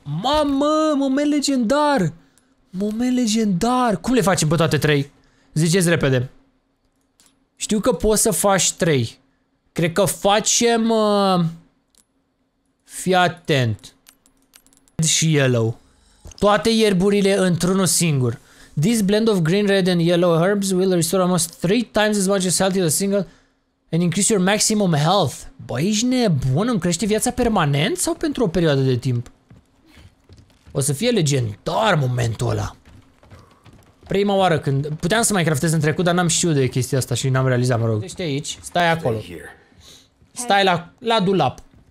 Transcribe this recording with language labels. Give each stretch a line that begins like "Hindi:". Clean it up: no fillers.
Romanian: Mamă, moment legendar. Moment legendar. Cum le facem pe toate trei? Ziceți repede. Știu că poți să faci trei. Cred că facem... Fii atent. Red și yellow. Toate ierburile într-unul singur.
English: This blend of green, red and yellow herbs will restore almost 3 times as much as healthy as a single and increase your maximum health.
Romanian: Bă, ești nebun, îmi crește viața permanent sau pentru o perioadă de timp? O să fie legendar momentul ăla. Prima oară când... Puteam să mai craftez în trecut, dar n-am știut de chestia asta și n-am realizat, mă rog. Ești aici, stai acolo. Stai la dulap.